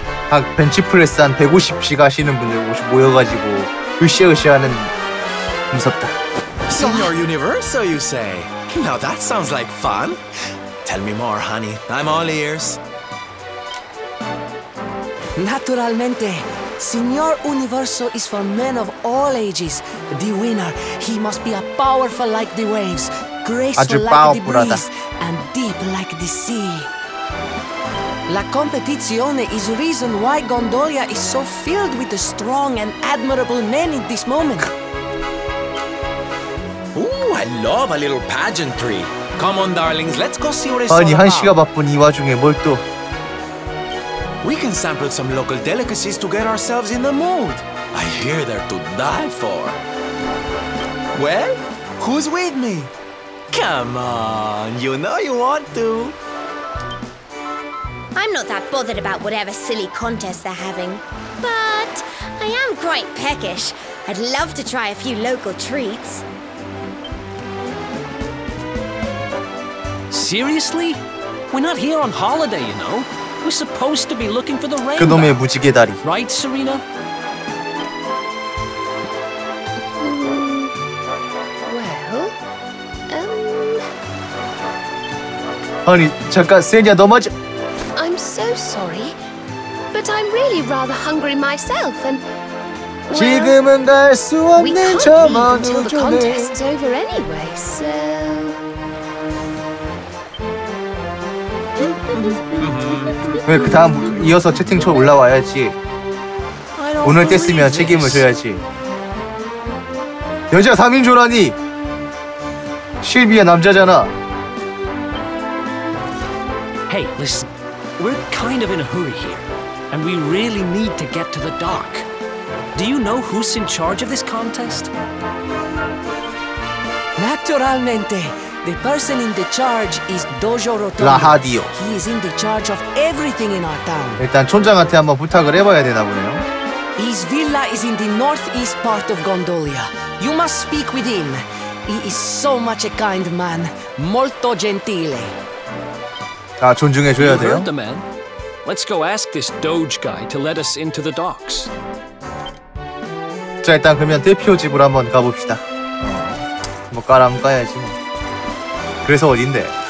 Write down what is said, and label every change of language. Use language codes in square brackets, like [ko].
[ko] 아, 벤치프레스한 150씩 하시는 분들 모여가지고 으쌰으쌰하는. 무섭다. [en] Signor Universo, you say? Now that sounds like fun. Tell me more, honey. I'm all ears. Naturalmente, Señor Universo is for men of all ages. The winner, he must be a powerful like the waves, graceful like the breeze, and deep like the sea. [it] La competizione [en] is reason why Gondolia is so filled with the strong and admirable men in this moment. Ooh, I love a little pageantry. Come on, darlings, let's go see what is on. [ko] 아니, 한시가 바쁜 이 와중에 뭘 또? [en] We can sample some local delicacies to get ourselves in the mood. I hear they're to die for. Well, who's with me? Come on, you know you want to. I'm not that bothered about whatever silly contest they're having. But I am quite peckish. I'd love to try a few local treats. Seriously? We're not here on holiday, you know. We're supposed to be looking for the rain. [ko] 그놈의 무지개 다리. [en] Right, Serena? Well, [ko] 아니, 잠깐, 세냐, 너 맞아? [en] I'm so sorry, but I'm really rather hungry myself, and... [ko] Well, 지금은 갈 수 없는 저 멀리 전에... [en] We can't leave until the contest's over anyway, so... Mm-hmm. [ko] 왜 그 다음 이어서 채팅창 올라와야지. 오늘 뗐으면 책임을 져야지. 여자 3인조라니 실비야 남자잖아. [en] Hey, listen. We're kind of in a hurry here, and we really need to get to the dock. Do you know who's in charge of this contest? Naturalmente. The person in the charge is Dojo Rotondo. Rahadio. He is in the charge of everything in our town. [ko] 일단 촌장한테 한번 부탁을 해봐야 되나 보네요. [en] His villa is in the northeast part of Gondolia. You must speak with him. He is so much a kind man. [it] Molto gentile. [ko] 아, 존중해 줘야 돼요? [en] You heard the man. Let's go ask this Doge guy to let us into the docks. [ko] 자, 일단 그러면 대표 집으로 한번 가봅시다. 뭐 깔아 한번 까야지 뭐. 그래서 어딘데?